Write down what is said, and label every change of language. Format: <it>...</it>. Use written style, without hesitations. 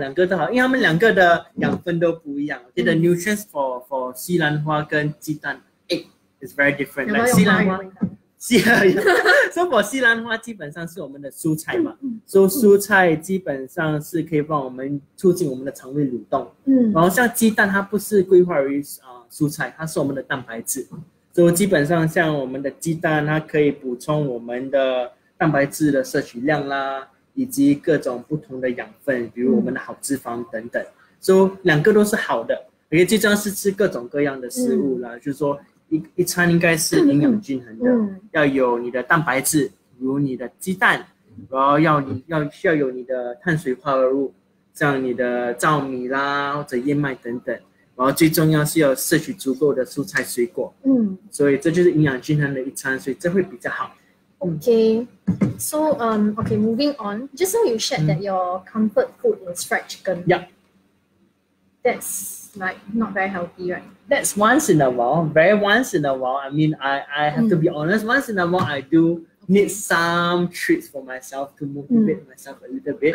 <zh>鸡蛋和西兰花哪个比较好?两个都好啊,两个都好,因为他们两个的养分都不一样,</zh> <en>okay, the nutrients for</en> <zh>西兰花跟鸡蛋,</zh> <en>egg is very different. Like 西兰花,</en> <zh>so for 西兰花基本上是我们的蔬菜嘛, so 蔬菜基本上是可以帮我们促进我们的肠胃蠕动, 然后像鸡蛋它不是归化于 蔬菜, 它是我们的蛋白质, 所以基本上像我们的鸡蛋它可以补充我们的蛋白质的摄取量啦, 以及各种不同的养分, 比如我们的好脂肪等等, so 两个都是好的, 最重要是吃各种各样的食物啦, 就是说一餐应该是营养均衡的, 要有你的蛋白质, 比如你的鸡蛋, 然后需要有你的碳水化合物, 像你的糙米啦, 或者燕麦等等, 然后最重要是要摄取足够的蔬菜水果, 所以这就是营养均衡的一餐, 所以这会比较好。</zh> <en>Okay, so okay, moving on. Just now you shared that your comfort food is fried chicken. Yeah. That's like not very healthy, right? That's once in a while, very once in a while. I mean, I have to be honest, once in a while I do need some treats for myself to motivate myself a little bit.</en>